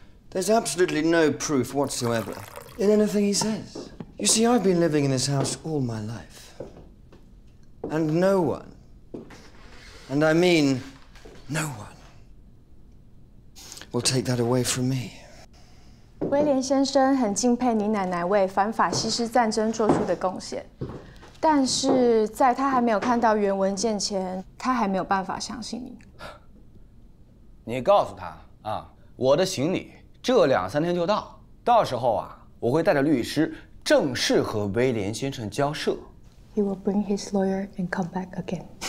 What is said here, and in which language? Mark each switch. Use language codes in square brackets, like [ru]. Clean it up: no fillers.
[en] There's absolutely no proof whatsoever in anything he says. You see, I've been living in this house all my life. And no one, and I mean no one, will take that away from me. [zh] 威廉先生很敬佩你奶奶为反法西斯战争做出的贡献。但是在他还没有看到原文件前，他还没有办法相信你。你告诉他啊，我的行李这两三天就到，到时候啊，我会带着律师正式和威廉先生交涉。 [en] He will bring his lawyer and come back again.